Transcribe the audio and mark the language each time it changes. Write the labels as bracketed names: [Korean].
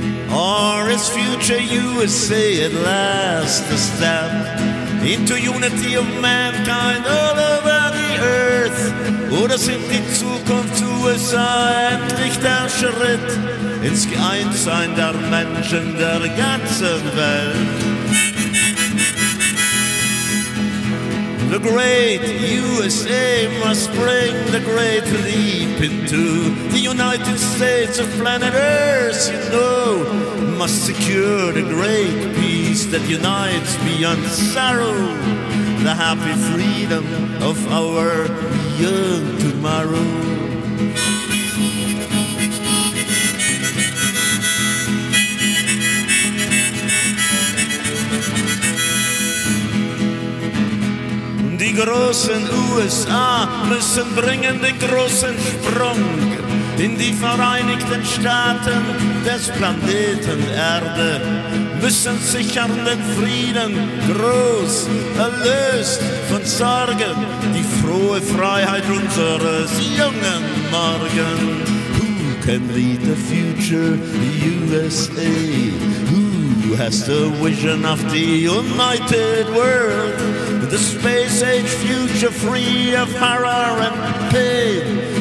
[English] Or is Future USA at last a step into unity of mankind all over the earth? [German] Oder sind die Zukunft USA endlich der Schritt ins Geeintsein der Menschen der ganzen Welt? [English] The great USA must bring the great leap into the United States of planet Earth, you know. Must secure the great peace that unites beyond sorrow, the happy freedom of our young tomorrow. [German] Die großen USA müssen bringen den großen Sprung in die Vereinigten Staaten des Planeten Erde, müssen sichern den Frieden, groß, erlöst von Sorgen, die frohe Freiheit unseres jungen Morgen. [English] Who can lead the future USA? Who has the vision of the united world? The space age future free of horror and pain.